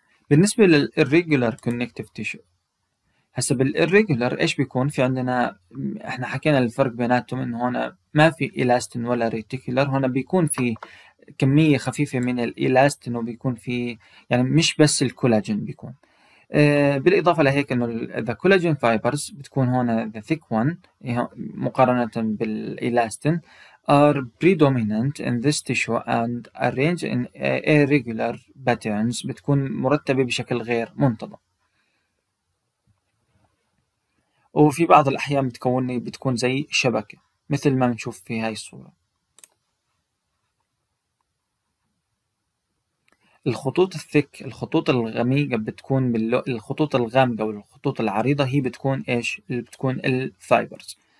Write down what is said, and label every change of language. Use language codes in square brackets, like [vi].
[ar] بالنسبة للإرريجولار كونكتيف تيشو، هسا بالإرريجولار إيش بيكون؟ في عندنا إحنا حكينا الفرق بيناتهم إنه هنا ما في إلاستين ولا ريتيكولار، هنا بيكون في كمية خفيفة من الإلاستين وبيكون في يعني مش بس الكولاجين بيكون. بالإضافة لهيك إنه [en] the collagen fibers [ar] بتكون هنا [en] the thick one [ar] مقارنة بالإلاستين [en] are predominant in this tissue and arrange in irregular patterns، [ar] بتكون مرتبة بشكل غير منتظم. وفي بعض الأحيان بتكون زي شبكة مثل ما بنشوف في هاي الصورة. الخطوط الثيك، الخطوط الغميقة بتكون الخطوط الغامقة والخطوط العريضة هي بتكون ايش؟ اللي بتكون الفايبرز.